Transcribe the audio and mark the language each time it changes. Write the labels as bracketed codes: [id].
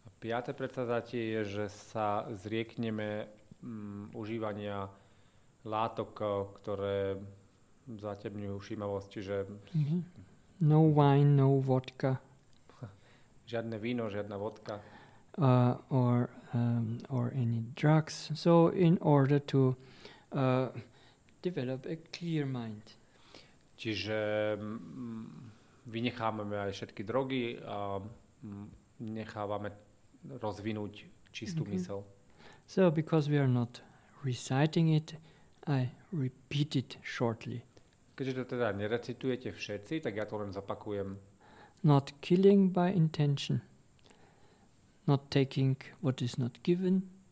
[sk] Piate predsavzatie je, že sa zriekneme užívania látok, ktoré zatemňujú všímavosť, čiže [en] No wine, no vodka. [sk] Žiadne víno, žiadna vodka. [en] Or any drugs. So in order to develop a clear mind. [sk] Čiže vynechávame aj všetky drogy a nechávame rozvinúť čistú mysel. [en] So because we are not reciting it, I repeat it shortly. [sk] Keďže to teda nerecitujete všetci, tak ja to len zapakujem. [en] Not killing by intention. Not taking what is not given.